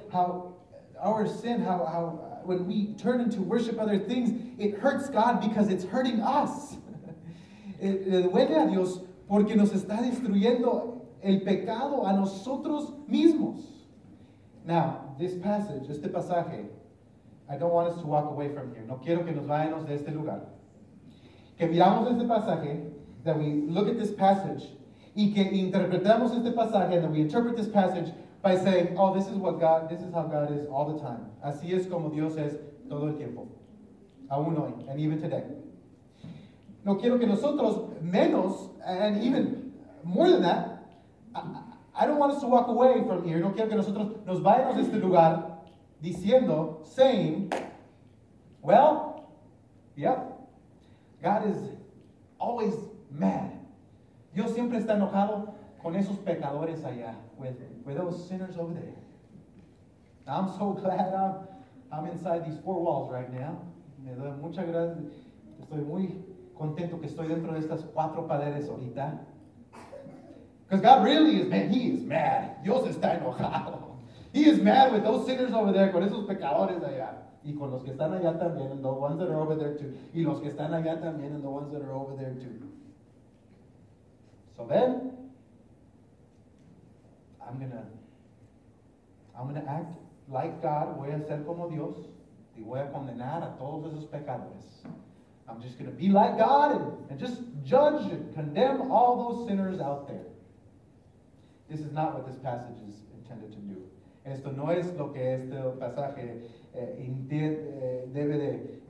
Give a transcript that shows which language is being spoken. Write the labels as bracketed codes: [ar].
[en] How our sin, how when we turn into worship other things, it hurts God because it's hurting us. [es] Le duele a Dios porque nos está destruyendo el pecado a nosotros mismos. [en] Now, this passage, [es] este pasaje, [en] I don't want us to walk away from here. [es] No quiero que nos vayamos de este lugar. Que miramos este pasaje, [en] that we look at this passage, [es] y que interpretamos este pasaje, [en] that we interpret this passage by saying, oh, this is what God, this is how God is all the time. [es] Así es como Dios es todo el tiempo. Aún hoy, [en] and even today. [es] No quiero que nosotros menos, [en] and even more than that, I don't want us to walk away from here. [es] No quiero que nosotros nos vayamos de este lugar diciendo, [en] saying, well, yeah, God is always mad. [es] Dios siempre está enojado con esos pecadores allá, [en] with those sinners over there. I'm so glad I'm inside these four walls right now. [es] Me doy mucha gracia. Estoy muy contento que estoy dentro de estas cuatro paredes ahorita. [en] Because God really is mad. He is mad. [es] Dios está enojado. [en] He is mad with those sinners over there, [es] con esos pecadores allá. Y con los que están allá también, [en] and the ones that are over there too. [es] Y los que están allá también, [en] and the ones that are over there too. So then, I'm gonna act like God. [es] Voy a ser como Dios. Y voy a condenar a todos esos pecadores. [en] I'm just gonna be like God and just judge and condemn all those sinners out there. This is not what this passage is intended to do. [es] Esto no es lo que este pasaje debe de.